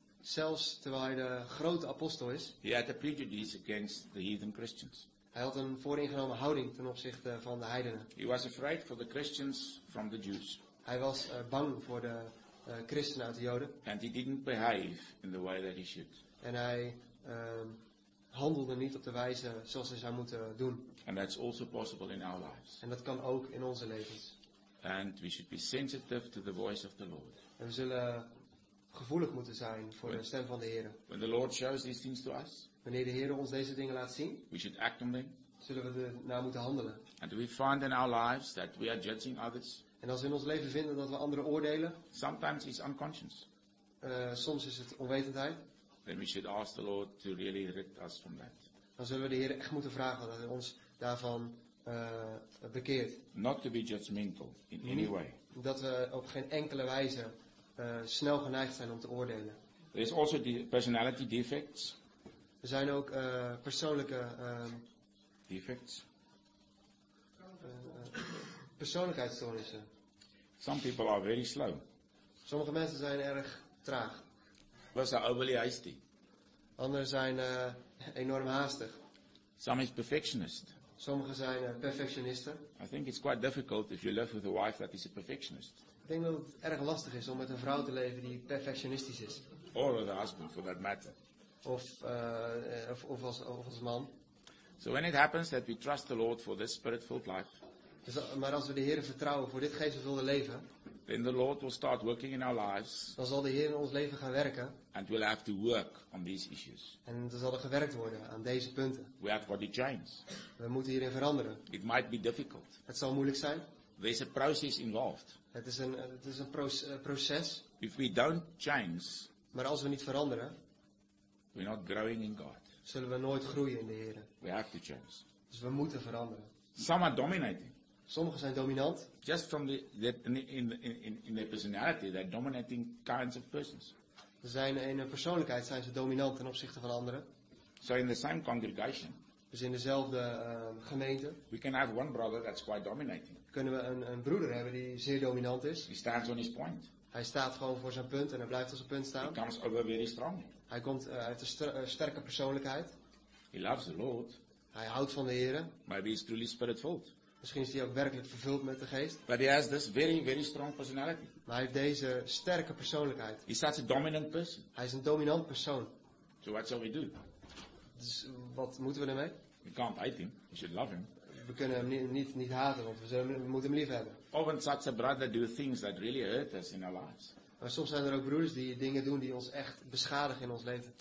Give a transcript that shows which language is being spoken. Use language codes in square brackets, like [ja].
[nl] Zelfs terwijl hij de grote apostel is. [en] He had a prejudice against the heathen Christians. [nl] Hij had een vooringenomen houding ten opzichte van de heidenen. [en] He was afraid for the Christians from the Jews. [nl] Hij was bang voor de christenen uit de Joden. [en] And he didn't behave in the way that he should. [nl] En hij handelde niet op de wijze zoals hij zou moeten doen. [en] And that's also possible in our lives. [nl] En dat kan ook in onze levens. [en] And we should be sensitive to the voice of the Lord. [nl] En we zullen gevoelig moeten zijn voor de stem van de Heer. [en] When the Lord shows these things to us. [nl] Wanneer de Heer ons deze dingen laat zien. [en] We should act on them. [nl] Zullen we ernaar moeten handelen. [en] And do we find in our lives that we are judging others. [nl] En als we in ons leven vinden dat we anderen oordelen. [en] Sometimes it's unconscious. [nl] Soms is het onwetendheid. [en] Then we should ask the Lord to really rid us from that. [nl] Dan zullen we de Heer echt moeten vragen dat hij ons daarvan bekeert. [en] Not to be judgmental in any way. [nl] Dat we op geen enkele wijze snel geneigd zijn om te oordelen. [en] There is also the personality defects. [nl] Er zijn ook persoonlijke [en] defects. [nl] Persoonlijkheidsstoornissen. [en] Some people are very slow. [nl] Sommige mensen zijn erg traag. [en] Was are overly hasty. [nl] Anderen zijn enorm haastig. [en] Some is perfectionist. [nl] Sommigen zijn perfectionisten. [en] I think it's quite difficult if you live with a wife that is a perfectionist. [nl] Ik denk dat het erg lastig is om met een vrouw te leven die perfectionistisch is. [en] Or with a husband for that matter. [nl] Of als man. [en] So when it happens that we trust the Lord for this spirit-filled life. [nl] Maar als we de Heer vertrouwen voor dit geestvervulde leven. [en] Then the Lord will start working in our lives. [nl] Dan zal de Heer in ons leven gaan werken. [en] And we'll have to work on these issues. [nl] En dan zal er gewerkt worden aan deze punten. [en] We have to change. [nl] We moeten hierin veranderen. [en] It might be difficult. [nl] Het zal moeilijk zijn. [en] There's a process involved. [nl] Het is een proces. [en] If we don't change, [nl] maar als we niet veranderen, [en] we're not growing in God. [nl] Zullen we nooit groeien in de Heer. [en] We have to change. [nl] Dus we moeten veranderen. [en] Some are dominating. [nl] Sommigen zijn dominant. [en] Just from in their personality, they're dominating kinds of persons. [nl] Zijn in hun persoonlijkheid zijn ze dominant ten opzichte van anderen. [en] So in the same congregation. [nl] Dus in dezelfde gemeente. [en] We can have one brother that's quite dominating. [nl] Kunnen we een broeder hebben die zeer dominant is. [en] He stands on his point. [nl] Hij staat gewoon voor zijn punt en hij blijft op zijn punt staan. [en] He comes over very strong. [nl] Hij komt uit een sterke persoonlijkheid. [en] He loves the Lord. [nl] Hij houdt van de Heer. [en] Maybe he's truly spiritual. [nl] Misschien is hij ook werkelijk vervuld met de geest. [en] But he has this very, very strong personality. [nl] Maar hij heeft deze sterke persoonlijkheid. [en] He starts a dominant person. [nl] Hij is een dominant persoon. [en] So what shall we do? [nl] Dus wat moeten we ermee? [en] We can't hate him. We should love him. [nl] We kunnen hem niet haten, want we moeten hem lief hebben. [en] Often such a brother do things that really hurt us in our lives. [nl] Maar soms zijn er ook broers die dingen doen die ons echt beschadigen in ons leven.